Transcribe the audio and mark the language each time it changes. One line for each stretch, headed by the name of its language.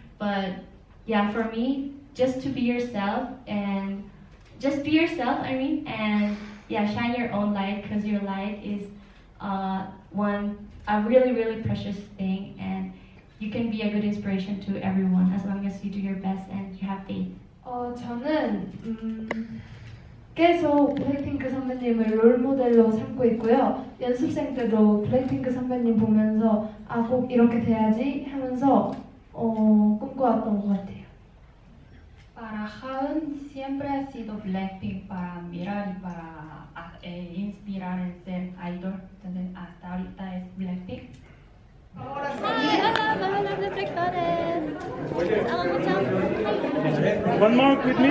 English: But yeah, for me, just to be yourself, and just be yourself, I mean, and yeah, shine your own light, because your light is a really, really precious thing, and you can be a good inspiration to everyone as long as you do your best and you have faith.
Korean: 저는 계속 블랙핑크 선배님을 롤모델로 삼고 있고요. 연습생 때도 블랙핑크 선배님 보면서 아, 꼭 이렇게 돼야지 하면서 꿈꿔왔던 것 같아요.
Spanish: Para Haeun siempre ha sido Blackpink para mirar y para inspirar el ser idol. Entonces hasta ahorita es Blackpink.
English: Hi, hello, my name is Victoria. One more with me,